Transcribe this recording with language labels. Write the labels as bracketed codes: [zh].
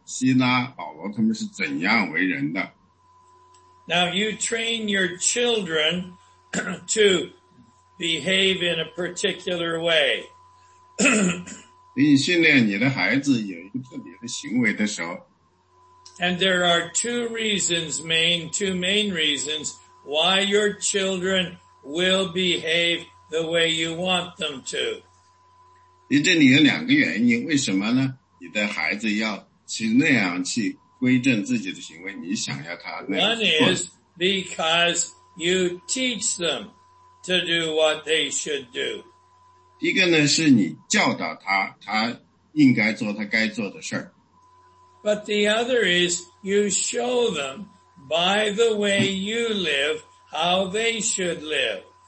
[zh] 因为我相信这里是当时提摩尼加的基督徒呢，他们看到了那个提摩太、希拉、保罗他们是怎样为人的。 [en] Now you train your children to behave in a particular way. [zh] 你训练你的孩子有一个特别的行为的时候。 [en] And there are two main reasons why your children will behave the way you want them to. [zh] 你这里有两个原因，为什么呢？你的孩子要去那样去规正自己的行为，你想要他那样做。 [en] Because you teach them to do what they should do. [zh] 一个呢，是你教导他，他应该做他该做的事儿。 [en] But the other is you show them by the way you live how they should live.